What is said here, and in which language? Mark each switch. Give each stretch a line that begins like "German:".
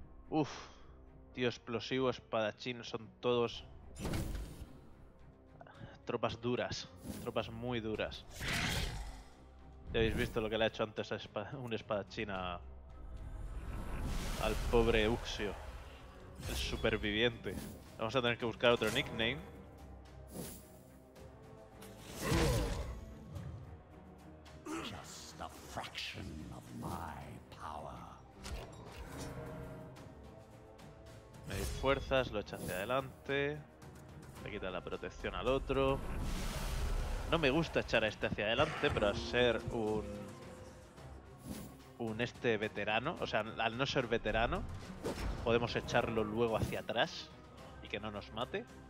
Spanish: Uf, tío explosivo, espadachín, son todos tropas duras, tropas muy duras. Ya habéis visto lo que le ha hecho antes a un espadachín al pobre Uxio. El superviviente. Vamos a tener que buscar otro nickname.
English: Just a fraction of my power.
Spanish: Me doy fuerzas, lo echa hacia adelante. Le quita la protección al otro. No me gusta echar a este hacia adelante, pero al ser un este veterano, o sea, al no ser veterano, podemos echarlo luego hacia atrás y que no nos mate.